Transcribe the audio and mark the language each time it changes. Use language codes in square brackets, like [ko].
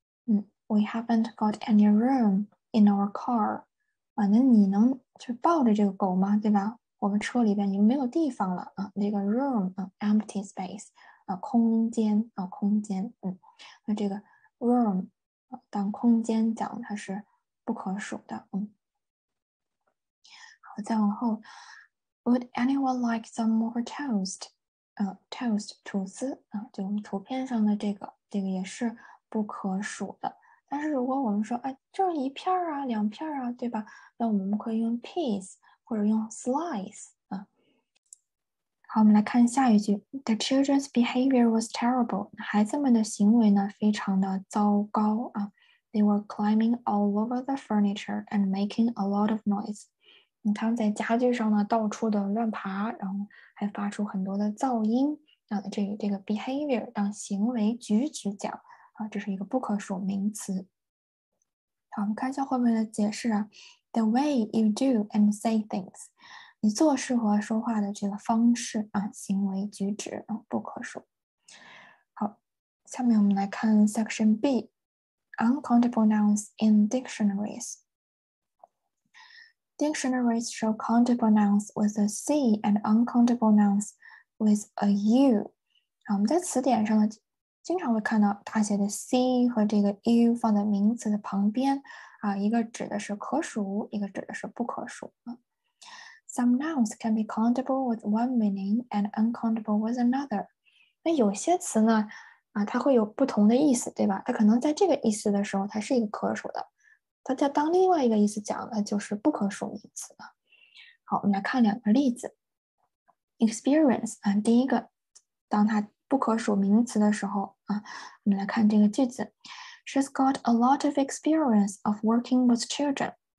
[en] We haven't got any room in our car。 [zh] 那你能去抱着这个狗吗？对吧？我们车里边已经没有地方了啊。这个 room 啊， [en] empty space [zh] 啊，空间啊，空间。那这个 room 啊，当空间讲，它是不可数的。好，再往后， [en] Would anyone like some more toast？ [zh] toast 吐司啊，就我们图片上的这个也是不可数的。但是如果我们说，哎，就是一片儿啊，两片儿啊，对吧？那我们可以用 piece 或者用 slice 啊。好，我们来看下一句： [en] The children's behavior was terrible。 [zh] 孩子们的行为呢，非常的糟糕啊。 [en] They were climbing all over the furniture and making a lot of noise。 [zh] 他们在家具上呢到处的乱爬，然后还发出很多的噪音。这个 behavior 当行为举止讲啊，这是一个不可数名词。好，我们看一下后面的解释啊， [en] the way you do and say things， [zh] 你做事和说话的这个方式啊，行为举止啊，不可数。下面我们来看 [en] section B，uncountable nouns in dictionaries。 Dictionaries show countable nouns with a C and uncountable nouns with a U。 [zh] 我们在词典上呢，经常会看到大写的 C 和这个 U 放在名词的旁边，一个指的是可数，一个指的是不可数。 [en] Some nouns can be countable with one meaning and uncountable with another。 [zh] 那有些词呢，它会有不同的意思，对吧？它可能在这个意思的时候，它是一个可数的。它在当另外一个意思讲的就是不可数名词了。好，我们来看两个例子。Experience 啊，第一个，当它不可数名词的时候啊，我们来看这个句子： [en] She's got a lot of experience of working with children。